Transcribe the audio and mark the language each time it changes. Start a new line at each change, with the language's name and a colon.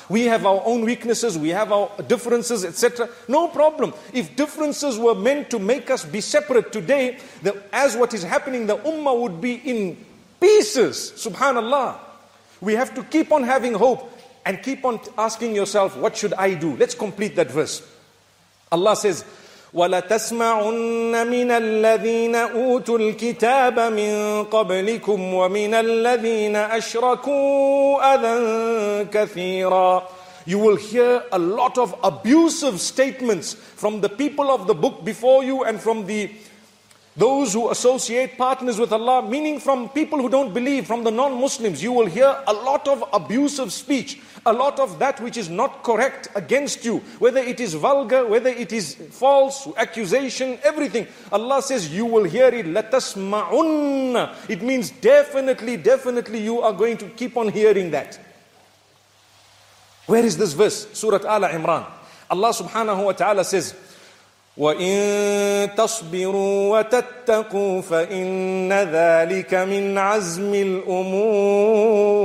English: We have our own weaknesses. We have our differences, etc. No problem. If differences were meant to make us be separate today, as what is happening, the ummah would be in pieces. Subhanallah. We have to keep on having hope. And keep on asking yourself, what should I do? Let's complete that verse. Allah says,
Arabic: وَلَتَسْمَعُنَّ مِنَ الَّذِينَ أُوتُوا الْكِتَابَ مِنْ قَبْلِكُمْ وَمِنَ الَّذِينَ أَشْرَكُوا أَذًا كَثِيرًا.
English: You will hear a lot of abusive statements from the people of the book before you and from the those who associate partners with Allah, meaning from people who don't believe, from the non-Muslims, you will hear a lot of abusive speech, a lot of that which is not correct against you, whether it is vulgar, whether it is false, accusation, everything. Allah says, you will hear it.
Arabic: لَتَسْمَعُنَّ.
English: It means definitely, definitely you are going to keep on hearing that. Where is this verse? Surah Ala Imran.
Arabic: Allah subhanahu wa ta'ala says, وَإِن تَصْبِرُوا وَتَتَّقُوا فَإِنَّ ذَٰلِكَ مِنْ عَزْمِ الْأُمُورِ.